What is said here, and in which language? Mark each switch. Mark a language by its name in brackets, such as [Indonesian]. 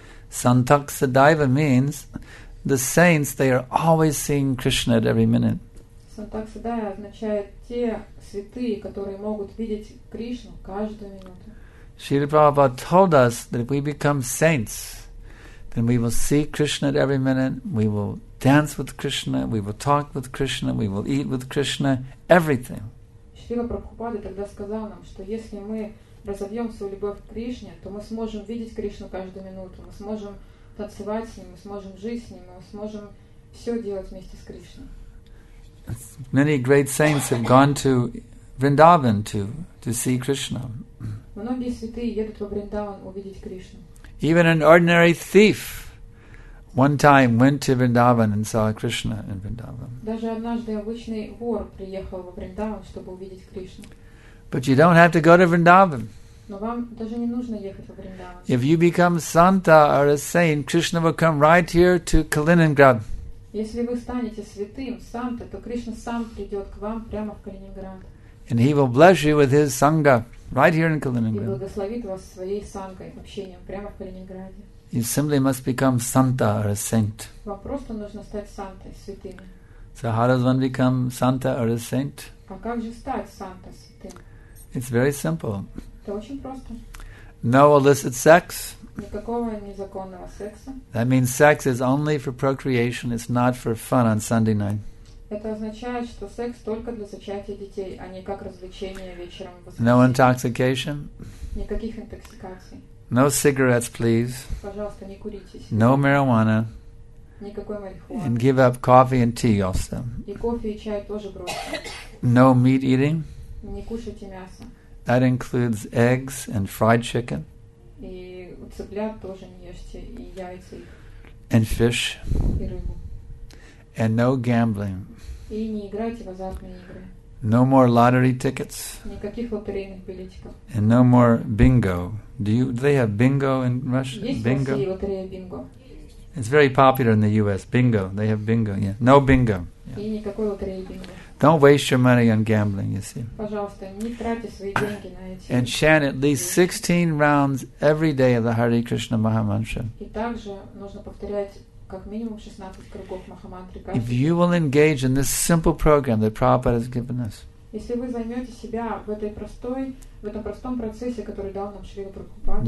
[English] Santaksadaiva means the saints, they are always seeing Krishna at every minute. [Russian] Santaksadaiva означает те святые, которые могут видеть Кришну каждую минуту. [English] Śrīla Prabhupāda told us that if we become saints, then we will see Krishna at every minute, we will dance with Krishna, we will talk with Krishna, we will eat with Krishna, everything. [Russian] Śrīla Prabhupāda тогда сказал нам, что если мы разовьем свою любовь к Кришне, то мы сможем видеть Кришну каждую минуту, мы сможем танцевать с Ним, мы сможем жить с Ним, мы сможем все делать вместе с Кришной. [English] Many great saints have gone to Vrindavan to see Krishna. [Russian] Многие святые едут во Вриндаван увидеть Кришну. [English] Even an ordinary thief one time went to Vrindavan and saw Krishna in Vrindavan. [Russian] Даже однажды обычный вор приехал во Вриндаван, чтобы увидеть Кришну. [English] But you don't have to go to Vrindavan. [Russian] Но вам даже не нужно ехать во Вриндаван. [English] If you become santa or a saint, Krishna will come right here to Kaliningrad. [Russian] Если вы станете святым, санта, то Кришна сам придет к вам прямо в Калининград. [English] And he will bless you with his sangha right here in Kaliningrad. [Russian] И благословит вас своей сангой, общением прямо в Калининграде. [English] You simply must become santa or a saint. [Russian] Вам просто нужно стать сантой, святым. [English] So how does one become santa or a saint? [Russian] А как же стать санта, святым? [English] It's very simple. [Russian] Это очень просто. [English] No illicit sex. [Russian] Никакого незаконного секса. [English] That means sex is only for procreation, it's not for fun on Sunday night. [Russian] Это означает, что секс только для зачатия детей, а не как развлечение вечером. [English] No intoxication. [Russian] Никаких интоксикаций. [English] No cigarettes, please. [Russian] Пожалуйста, не куритесь. [English] No marijuana. [Russian] Никакой марихуаны. [English] And give up coffee and tea also. [Russian] И кофе и чай тоже бросьте. [English] No meat eating. [Russian] Не кушайте мясо. [English] That includes eggs and fried chicken. [Russian] И цыплят тоже не ешьте, и яйца их. [English] And fish. [Russian] И рыбу. [English] And no gambling. [Russian] И не играйте в азартные игры. [English] No more lottery tickets. [Russian] Никаких лотерейных билетиков. [English] And no more bingo. Do they have bingo in Russia? [Russian] Есть [English] bingo? [Russian] В России лотерея бинго. [English] It's very popular in the U.S. Bingo. They have bingo. Yeah. No bingo. Yeah. [Russian] И никакой лотереи бинго. [English] Don't waste your money on gambling, you see. [Russian] Пожалуйста, не тратьте свои деньги на эти. [English] And chant at least 16 rounds every day of the Hare Krishna Maha Mantra. [Russian] И также нужно повторять как минимум 16 кругов Махамантры. [English] If you will engage in this simple program that Prabhupada has given us. [Russian] Если вы займете себя в этой простой, в этом простом процессе, который дал нам Шрила Прабхупада.